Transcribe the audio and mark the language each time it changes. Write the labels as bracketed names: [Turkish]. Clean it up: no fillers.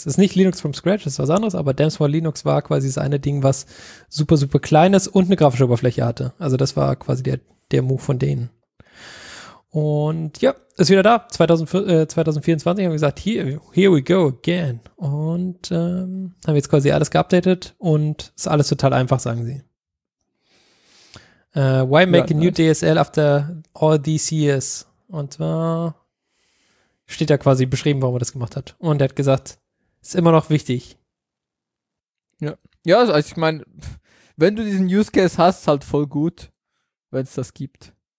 [German] Es ist nicht Linux from scratch, das ist was anderes, aber Damn small Linux war quasi das eine Ding, was super, super klein ist und eine grafische Oberfläche hatte. Also das war quasi der Move von denen. Und ja, ist wieder da. 2024 haben wir gesagt, [English] here we go again. [German] Und haben jetzt quasi alles geupdatet und ist alles total einfach, sagen sie. [English] Why make a new DSL after all these years? [German] Und zwar steht da quasi beschrieben, warum er das gemacht hat. Und er hat gesagt, ist immer noch wichtig. Ja, also ich meine, wenn du diesen Use Case hast, ist halt voll gut, wenn es das gibt.